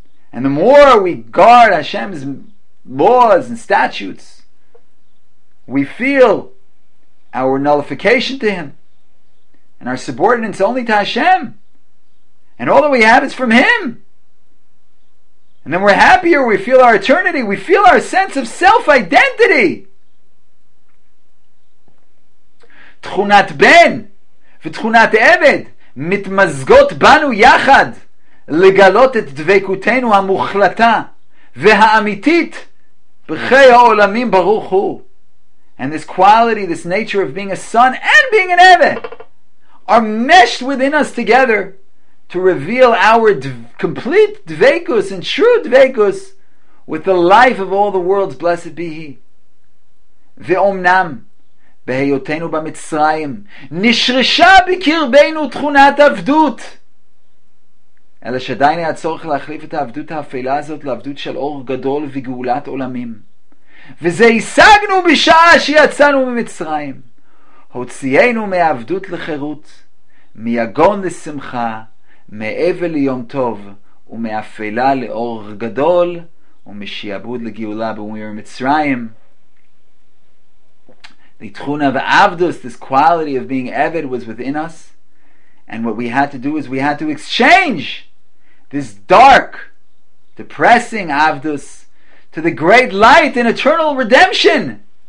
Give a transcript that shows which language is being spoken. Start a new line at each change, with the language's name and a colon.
English: And the more we guard Hashem's laws and statutes, we feel our nullification to Him and our subordinates only to Hashem. And all that we have is from Him. And then we're happier, we feel our eternity, we feel our sense of self-identity.
Hebrew: תכונת בן ותכונת עבד מתמזגות בנו יחד לגלות את דבקותנו המוחלטה והאמיתית בחיי העולמים ברוך הוא.
English: And this quality, this nature of being a son and being an Eved are meshed within us together to reveal our complete dvekus and true dvekus with the life of all the worlds, blessed be He.
Hebrew: ואומנם בהיותנו במצרים נשרשה בקרבנו תכונת עבדות, אלא שעדיין היה צורך להחליף את העבדות האפלה הזאת לעבדות של אור גדול וגאולת עולמים. וזה השגנו בשעה שיצאנו ממצרים. הוציאנו מעבדות לחירות, מיגון לשמחה, מאבל ליום טוב, ומאפלה לאור גדול, ומשיעבוד לגאולה במיר מצרים.
English: The tchuna of avdus, this quality of being eved, was within us. And what we had to do is we had to exchange this dark, depressing avdus to the great light and eternal redemption.